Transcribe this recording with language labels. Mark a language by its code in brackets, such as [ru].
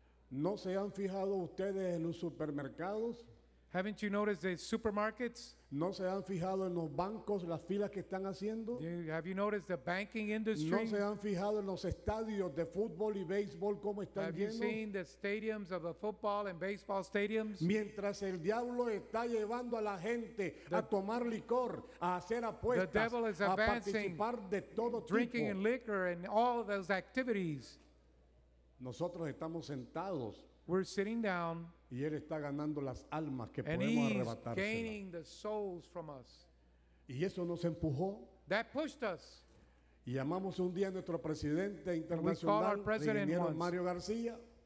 [es] ¿No se han fijado ustedes en los supermercados? [en] Haven't you noticed the supermarkets? [es] ¿No se han fijado en los bancos, las filas que están haciendo? [en] Have you noticed the banking industry? [es] ¿No se han fijado en los estadios de fútbol y béisbol cómo están [en] have [es] llenos? [en] Have you seen the stadiums of the football and baseball stadiums? [es] Mientras el diablo está llevando a la gente a tomar licor, a hacer apuestas, [en] the devil is [es] a participar de todo tipo. [en] Drinking and liquor and all of those activities. [es] Nosotros estamos sentados. [en] We're sitting down. [es] Y él está ganando las almas que podemos arrebatárselas. [en] And he's gaining the souls from us. [es] Y eso nos empujó. [en] That pushed us. [es] Llamamos un día a nuestro presidente internacional, el ingeniero Mario García.